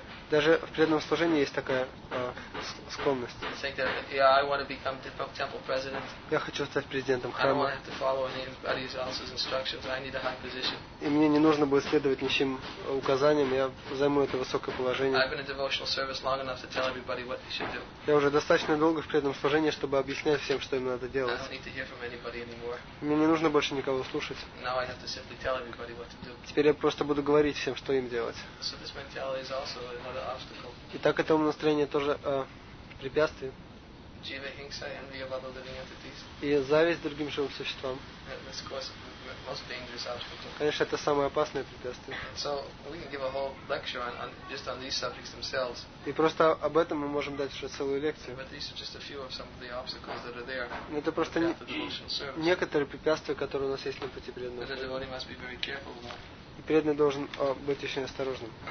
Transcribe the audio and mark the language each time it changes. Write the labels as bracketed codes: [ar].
[ru] Даже в преданном служении есть такая склонность. [en] Yeah, I want to become temple president. [ru] Я хочу стать президентом храма. [en] I don't want to follow anybody else's instructions. I need a high position. [ru] И мне не нужно будет следовать ничьим указаниям. Я займу это высокое положение. [en] I've been in devotional service long enough to tell everybody what they should do. [ru] Я уже достаточно долго в преданном служении, чтобы объяснять всем, что им надо делать. [en] I don't need to hear from anybody anymore. [ru] Мне не нужно больше никого слушать. [en] Now I have to simply tell everybody what to do. [ru] Теперь я просто буду говорить всем, что им делать. [en] So this mentality is also another obstacle. [ru] И так это умонастроение тоже препятствие. [en] Jiva Hingsa, envy of other living entities. [ru] И зависть другим живым существам. [en] This course is most dangerous obstacle. [ru] Конечно, это самое опасное препятствие. [en] So we can give a whole lecture on just on these subjects themselves. [ru] И просто об этом мы можем дать уже целую лекцию. [en] But these are just a few of some of the obstacles that are there. [ru] Но это просто некоторые препятствия, которые у нас есть на пути преданного. [en] The devotee must be very careful about. [ru] И преданный должен быть очень осторожным.